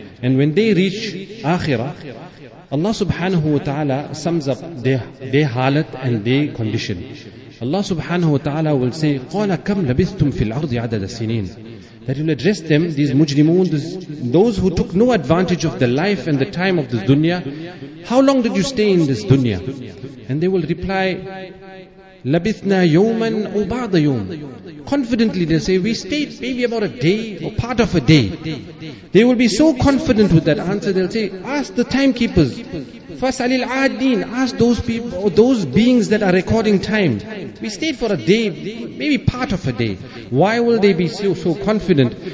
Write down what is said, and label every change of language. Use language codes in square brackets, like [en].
[en] And when they reach Akhirah, Allah subhanahu wa ta'ala sums up their halat and their condition. Allah subhanahu wa ta'ala will say, [ar] قَالَ كَمْ لَبِثْتُمْ فِي الْأَرْضِ عَدَدَ السِّنِينَ, [en] that will address them, these mujrimun, those who took no advantage of the life and the time of this dunya. How long did you stay in this dunya? And they will reply, [ar] لَبِثْنَا يَوْمًا أَوْ بَعْضَ يَوْمٍ. [en] Confidently they say, we stayed maybe about a day or part of a day. They will be so confident with that answer, they'll say, ask the timekeepers. [ar] فَسَلِ الْعَادِينَ, [en] ask those people or those beings that are recording time. We stayed for a day, maybe part of a day. Why will they be so confident?